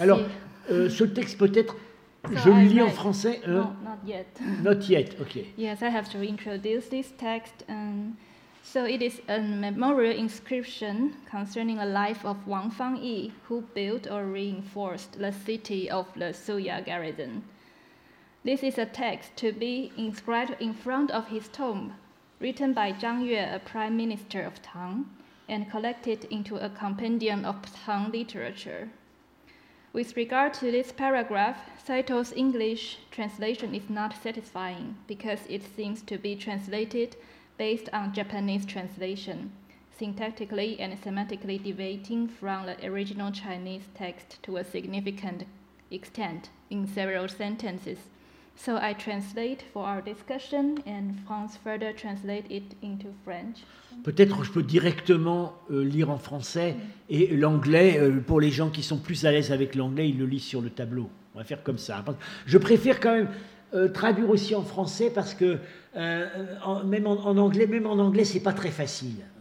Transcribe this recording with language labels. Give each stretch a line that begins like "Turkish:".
French: Alors, ce texte peut-être, je le lis en français.
English: Not yet. Ok. Yes, I have to introduce this text. So it is a memorial inscription concerning the life of Wang Fangyi, who built or reinforced the city of the Suya garrison. This is a text to be inscribed in front of his tomb, written by Zhang Yue, a prime minister of Tang, and collected into a compendium of Tang literature. With regard to this paragraph, Saito's English translation is not satisfying because it seems to be translated based on Japanese translation, syntactically and semantically deviating from the original Chinese text to a significant extent in several sentences. So I translate for our discussion, and Franz further translate it into French.
French: Peut-être je peux directement lire en français, et l'anglais, pour les gens qui sont plus à l'aise avec l'anglais, ils le lisent sur le tableau. On va faire comme ça. Je préfère quand même traduire aussi en français, parce que même en anglais, c'est pas très facile.